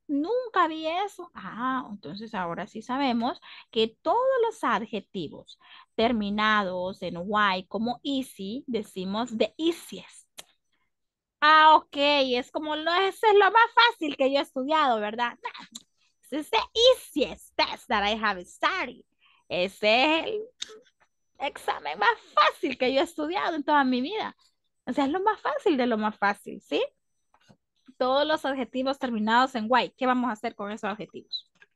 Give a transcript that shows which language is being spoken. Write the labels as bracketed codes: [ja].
[es] Nunca vi eso. Ah, entonces ahora sí sabemos que todos los adjetivos terminados en Y como easy, decimos [en] the easiest. [es] Ah, ok, es como lo, ese es lo más fácil que yo he estudiado, ¿verdad? [en] This is the easiest test that I have studied. [es] Ese es el examen más fácil que yo he estudiado en toda mi vida. O sea, es lo más fácil de lo más fácil, ¿sí? Todos los adjetivos terminados en Y. ¿Qué vamos a hacer con esos adjetivos?